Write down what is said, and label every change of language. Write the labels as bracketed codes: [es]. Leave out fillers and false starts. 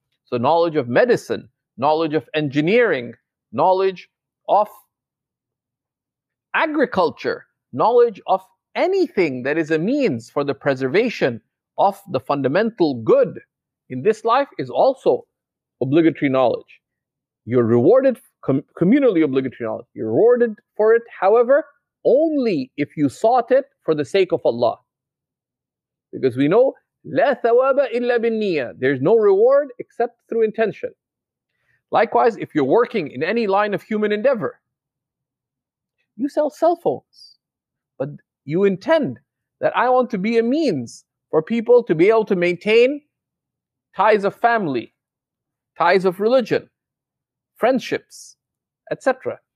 [en] So knowledge of medicine, knowledge of engineering, knowledge of agriculture, knowledge of anything that is a means for the preservation of the fundamental good in this life is also obligatory knowledge. You're rewarded, communally obligatory knowledge. You're rewarded for it, however, only if you sought it for the sake of Allah. Because we know, [ar] لَا ثَوَابَ إِلَّا بِالنِّيَّةِ. [en] There's no reward except through intention. Likewise, if you're working in any line of human endeavor, you sell cell phones. But you intend that I want to be a means for people to be able to maintain ties of family, ties of religion, friendships, etc.